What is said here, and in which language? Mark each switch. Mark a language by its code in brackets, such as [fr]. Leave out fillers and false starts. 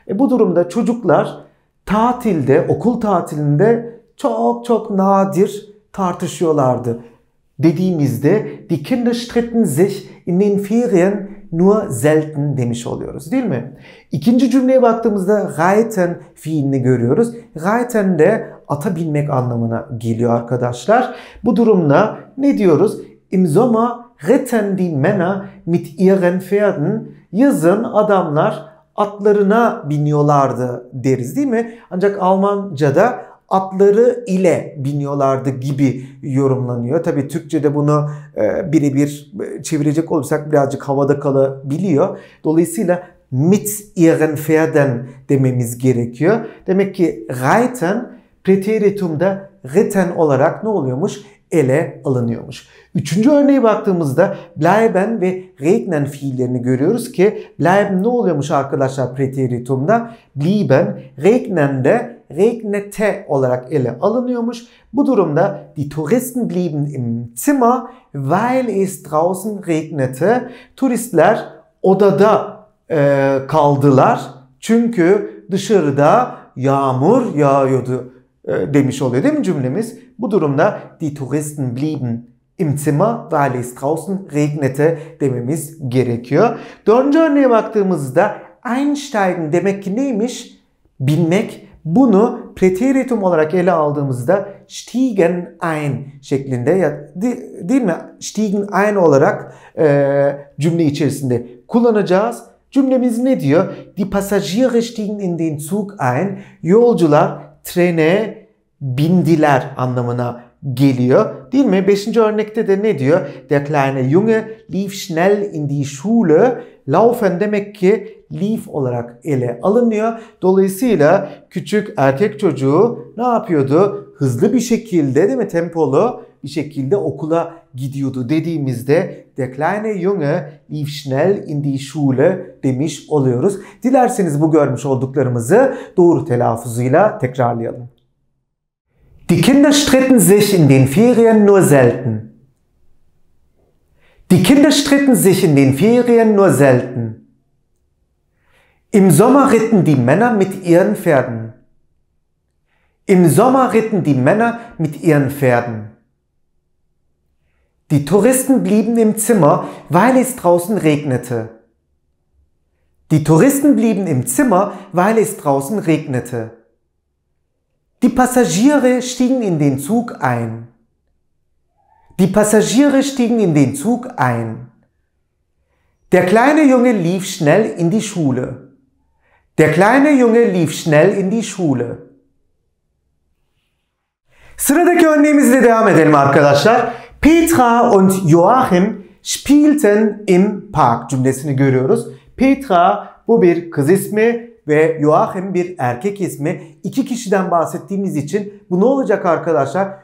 [tr] Bu durumda çocuklar tatilde, okul tatilinde çok çok nadir tartışıyorlardı dediğimizde [de] die Kinder streiten sich in den Ferien nur selten [tr] demiş oluyoruz değil mi? İkinci cümleye baktığımızda reiten fiilini görüyoruz. Reiten de ata binmek anlamına geliyor arkadaşlar. Bu durumda ne diyoruz? [de] Im Sommer ritten die Männer mit ihren Pferden. [tr] Yazın adamlar atlarına biniyorlardı deriz değil mi? Ancak Almanca'da atları ile biniyorlardı gibi yorumlanıyor. Tabii Türkçe'de bunu birebir çevirecek olursak birazcık havada kalabiliyor. Dolayısıyla [de] mit ihren Pferden [tr] dememiz gerekiyor. Demek ki reiten preteritumda ritten olarak ne oluyormuş? Ele alınıyormuş. Üçüncü örneğe baktığımızda bleiben ve regnen fiillerini görüyoruz ki bleiben ne oluyormuş arkadaşlar preteritumda? Blieben, regnen de regnete olarak ele alınıyormuş. Bu durumda [de] die Touristen blieben im Zimmer, weil es draußen regnete. [tr] Turistler odada kaldılar çünkü dışarıda yağmur yağıyordu demiş oluyor değil mi cümlemiz? Bu durumda [de] die Touristen blieben im Zimmer, weil es draußen regnete [tr] dememiz gerekiyor. Dördüncü örneğe baktığımızda einsteigen demek ki neymiş? Binmek. Bunu preteritum olarak ele aldığımızda [de] stiegen ein [tr] şeklinde ya değil mi? [de] Stiegen ein [tr] olarak cümle içerisinde kullanacağız. Cümlemiz ne diyor? [de] Die Passagiere stiegen in den Zug ein. [tr] Yolcular trene bindiler anlamına geliyor. Değil mi? Beşinci örnekte de ne diyor? [de] Der kleine Junge lief schnell in die Schule. [tr] Laufen demek ki lief olarak ele alınıyor. Dolayısıyla küçük erkek çocuğu ne yapıyordu? Hızlı bir şekilde değil mi? Tempolu bir şekilde okula gidiyordu dediğimizde [de] der kleine Junge lief schnell in die Schule [tr] demiş oluyoruz. Dilerseniz bu görmüş olduklarımızı doğru telaffuzuyla tekrarlayalım. [de] Die Kinder stritten sich in den Ferien nur selten. Die Kinder stritten sich in den Ferien nur selten. Im Sommer ritten die Männer mit ihren Pferden. Im Sommer ritten die Männer mit ihren Pferden. Die Touristen blieben im Zimmer, weil es draußen regnete. Die Touristen blieben im Zimmer, weil es draußen regnete. Die Passagiere stiegen in den Zug ein. Die Passagiere stiegen in den Zug ein. Der kleine Junge lief schnell in die Schule. Der kleine Junge lief schnell in die Schule. [tr] Sıradaki örneğimizle devam edelim arkadaşlar. [de] Petra und Joachim spielten im Park [tr] cümlesini görüyoruz. Petra bu bir kız ismi ve Joachim bir erkek ismi. İki kişiden bahsettiğimiz için bu ne olacak arkadaşlar?